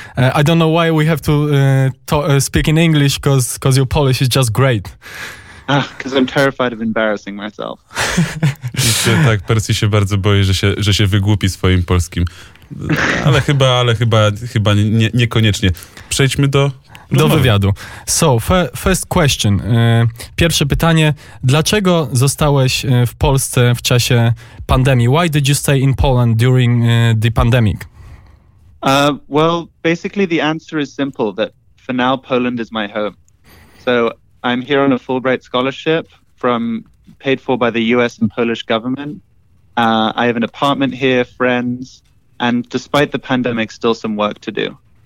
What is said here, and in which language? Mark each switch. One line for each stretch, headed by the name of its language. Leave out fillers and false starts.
English: I don't know why we have to speak in English, because your Polish is just great. Because I'm terrified of embarrassing myself.
Polish: Tak, Percy się bardzo boi, że się wygłupi swoim polskim. Ale chyba niekoniecznie. Przejdźmy do rozmowy. Do wywiadu.
English: So, first question.
Polish: Pierwsze pytanie. Dlaczego zostałeś w Polsce w czasie pandemii?
English: Why did you stay in Poland during the pandemic? Well, basically the answer is simple, that for now Poland is my home. So I'm here on a Fulbright scholarship paid for by the US and Polish government. I have an apartment here, friends, and despite the pandemic, still some work to do.